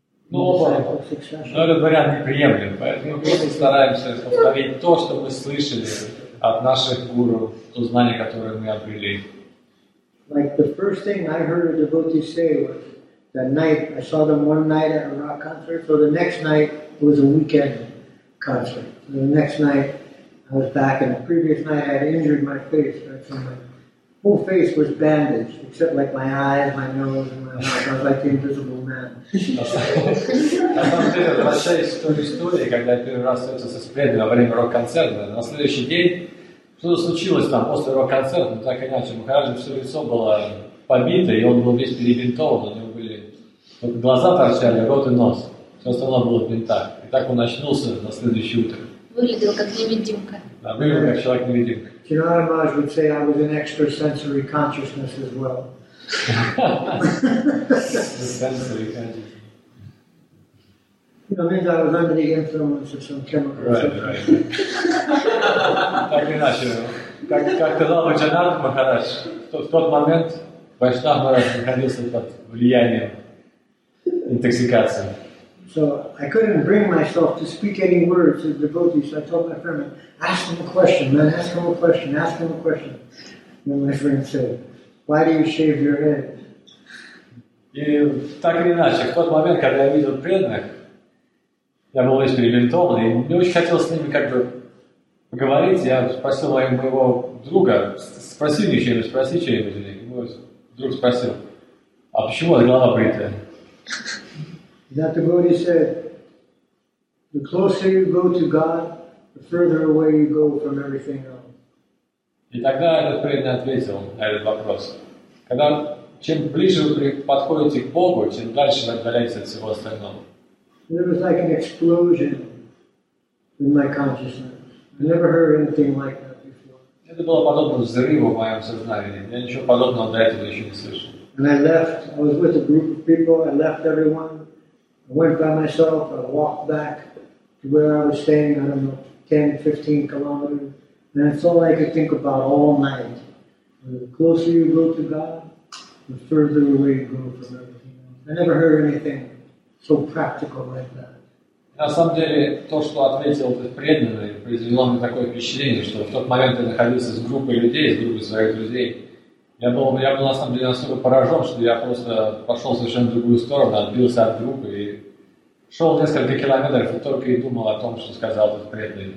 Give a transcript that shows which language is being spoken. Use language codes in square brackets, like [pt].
[ru] Но этот вариант неприемлем, поэтому мы просто стараемся повторить то, что мы слышали от наших гуру, то знание, которое мы обрели. [en] Like the first thing I heard a devotee say was that night I saw them one night at a rock concert, so the next night it was a weekend concert. So the next night I was back, and the previous night I had injured my face, right? So my whole face was bandaged, except like my eyes, my nose, and my mouth. I was like the invisible man. [ru] На самом деле, возвращаясь к истории, когда я первый раз встретился с преданным во время рок-концерта, на следующий день что-то случилось там после рок-концерта, но так иначе, у каждого все лицо было побито, и он был весь перебинтован, у него были только глаза торчали, рот и нос. Все остальное было в бинтах. И так он очнулся на следующее утро. Выглядел как невидимка. Да, выглядел как человек-невидимка. [en] Chinara Maharaj would say I was an extrasensory consciousness as well. You know, means I was under the influence of some chemicals. Right. [ru] Так иначе. Как сказал Чинара Махарадж, в тот момент Вайшнав Махарадж находился под влиянием интоксикации. [en] So I couldn't bring myself to speak any words to the devotee, so I told my friend, ask him a question, man, ask him a question, ask him a question. And my friend said, why do you shave your head? [ru] И так или иначе, в тот момент, когда я видел преданных, я был весь перебинтован, и мне очень хотелось с ними как бы поговорить. Я спросил моего друга, спроси чего-нибудь. И мой друг спросил, а почему эта голова бритая? [en] That devotee said, the closer you go to God, the further away you go from everything else. [ru] И тогда этот преданный ответил на этот вопрос. Когда чем ближе вы подходите к Богу, тем дальше вы отдаляетесь от всего остального. [en] It was like an explosion in my consciousness. I never heard anything like that before. [ru] Это было подобно взрыву в моем сознании. Я ничего подобного до этого еще не слышал. [en] And I left. I was with a group of people. I left everyone. I went by myself, I walked back to where I was staying, I don't know, 10-15 kilometers, and that's all I could think about all night. The closer you go to God, the further away you go from everything else. I never heard anything so practical like that. [ru] На самом деле, то, что ответил этот преданный, произвело мне такое впечатление, что в тот момент я находился с группой людей, с группой своих друзей. Я был на самом деле настолько поражен, что я просто пошел в совершенно другую сторону, отбился от группы и шел несколько километров и только и думал о том, что сказал этот преданный.